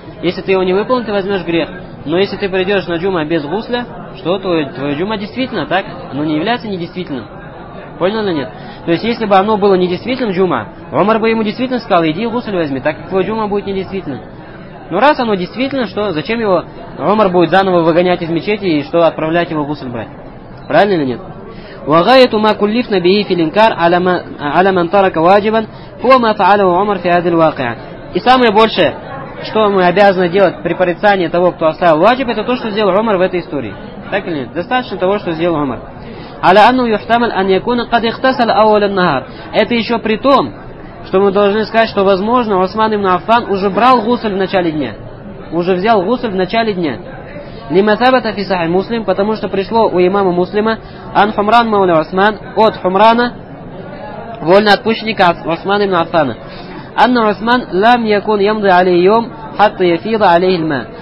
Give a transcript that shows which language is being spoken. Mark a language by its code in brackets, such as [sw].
[ru] Если ты его не выполнил, ты возьмешь грех. Но если ты придешь на джума без гусля, что твое джума действительно, так? Оно не является недействительным. Понял или нет? То есть, если бы оно было недействительным, джума, Умар бы ему действительно сказал, иди гусль возьми, так как твой джума будет недействительным. Но раз оно действительно, что зачем его Умар будет заново выгонять из мечети и что отправлять его гусль брать? Правильно или нет? [ar] وغايه ما كلفنا به في الانكار على من ترك واجبا هو ما فعله عمر في هذه الواقعه. [ru] И самое большее, что мы обязаны делать при порицании того, кто оставил ваджиб, это то, что сделал Умар в этой истории. Так или нет? Достаточно того, что сделал Умар. [ar] على انه يحتمل ان يكون قد اغتسل اول النهار. [ru] Это еще при том, что мы должны сказать, что возможно, Усман ибн Аффан уже брал гусль в начале дня. Уже взял гусль в начале дня. [ar] لمثابته في صحيح مسلم, [ru] потому что пришло у имама Муслима, [ar] ан хумран мауля Усман, [ru] от Хумрана, вольноотпущенника Усмана ибн Аффана, [ar] ан Усман лам якун ямды алейхи йом, хатта яфида алейхи ль-ма.